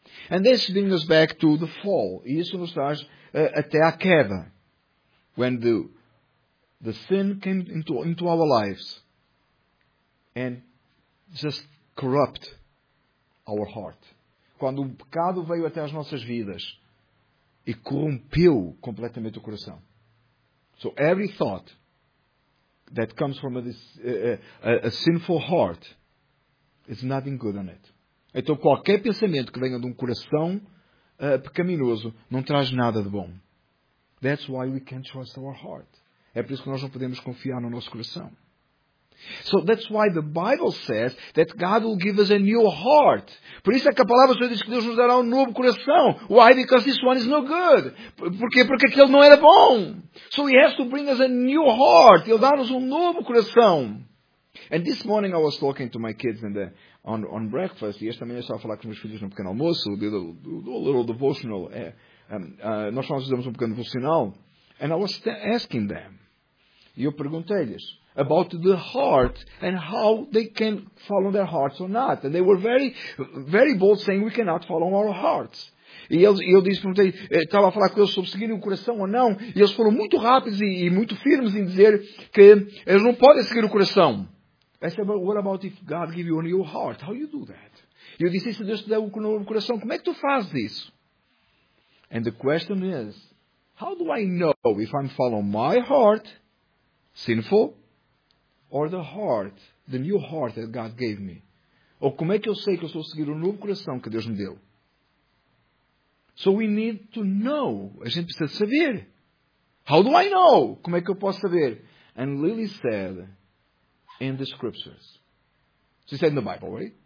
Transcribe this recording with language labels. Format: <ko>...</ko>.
<en>And this brings us back to the fall.</en> <pt>E isso nos traz até à queda.</pt> <en>When the sin came into our lives and just corrupt our heart.</en> <pt>Quando o pecado veio até as nossas vidas e corrompeu completamente o coração.</pt> <en>So every thought that comes from a sinful heart is nothing good on it.</en> <pt>Então qualquer pensamento que venha de um coração pecaminoso não traz nada de bom.</pt> <en>That's why we can't trust our heart.</en> <pt>É por isso que nós não podemos confiar no nosso coração.</pt> <en>So that's why the Bible says that God will give us a new heart.</en> <pt>Por isso é que a palavra do Senhor diz que Deus nos dará um novo coração.</pt> <en>Why? Because this one is no good.</en> <pt>Porquê? Porque aquele não era bom.</pt> <en>So he has to bring us a new heart.</en> <pt>Ele dá-nos um novo coração.</pt> <en>And this morning I was talking to my kids on breakfast.</en> <pt>E esta manhã eu estava a falar com os meus filhos no pequeno almoço.</pt> <en>Do a little devotional.</en> <pt>Nós fazemos um pequeno devocional.</pt> <en>And I was asking them.</en> <pt>E eu perguntei-lhes.</pt> <en>About the heart and how they can follow their hearts or not. And they were very, very bold saying we cannot follow our hearts.</en> <pt>E eu disse, perguntei, estava a falar com eles sobre seguirem o coração ou não. E eles foram muito rápidos e muito firmes em dizer que eles não podem seguir o coração.</pt> <en>I said, but what about if God give you a new heart? How you do that?</en> <pt>E eu disse, se Deus te der um novo coração, como é que tu fazes isso?</pt> <en>And the question is, how do I know if I'm following my heart, sinful, or the heart, the new heart that God gave me.</en> <pt>Ou como é que eu sei que eu estou a seguir o novo coração que Deus me deu?</pt> <en>So we need to know.</en> <pt>A gente precisa saber.</pt> <en>How do I know?</en> <pt>Como é que eu posso saber?</pt> <en>And Lily said, in the scriptures. She said in the Bible, right?</en>